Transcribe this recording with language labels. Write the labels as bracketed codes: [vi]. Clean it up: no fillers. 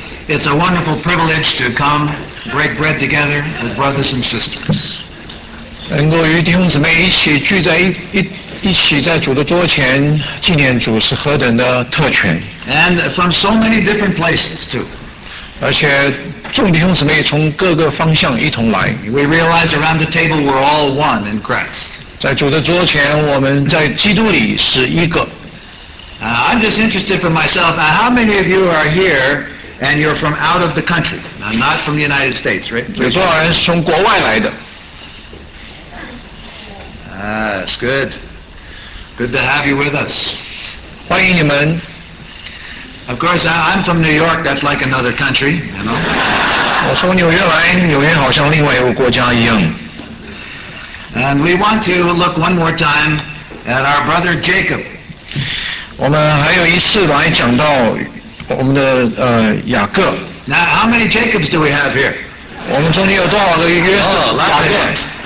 [en] It's a wonderful privilege to come break bread together with brothers and sisters. [zh] 能够与弟兄姊妹一起聚在一起在主的桌前纪念主是何等的特权。 [en] And from so many different places too. [zh] 而且众弟兄姊妹从各个方向一同来。 [en] We realize around the table we're all one in Christ. [zh] 在主的桌前我们在基督里是一个。 [en] I'm just interested for myself, now how many of you are here and you're from out of the country? Now, not from the United States, right? [zh] 有多少人是从国外来的。 [en] That's good. Good to have you with us. [zh] 欢迎你们。 [en] Of course, I'm from New York, that's like another country, you know? [zh] 我从纽约来，纽约好像另外一个国家一样。 [en] And we want to look one more time at our brother Jacob. [zh] 我们还有一次来讲到我们的雅各。 [en] Now, how many Jacobs do we have here? [zh] 我们中间有多少个约瑟？雅各。